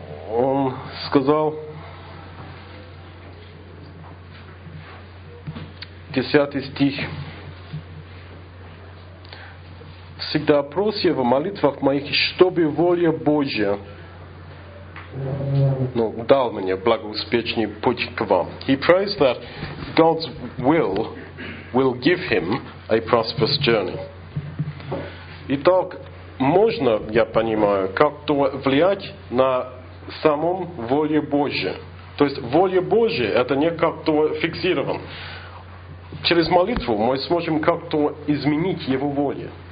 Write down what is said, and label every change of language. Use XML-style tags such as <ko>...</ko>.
<ru>Он сказал 10 стих. Всегда прося в молитвах моих, чтобы воля Божья дал мне благоуспешный путь к вам.</ru> <en>He prays that God's will give him a prosperous journey.</en> <ru>Итак, можно, я понимаю, как-то влиять на самом воле Божье. То есть воля Божья это не как-то фиксирован. Через молитву мы сможем как-то изменить его волю.</ru>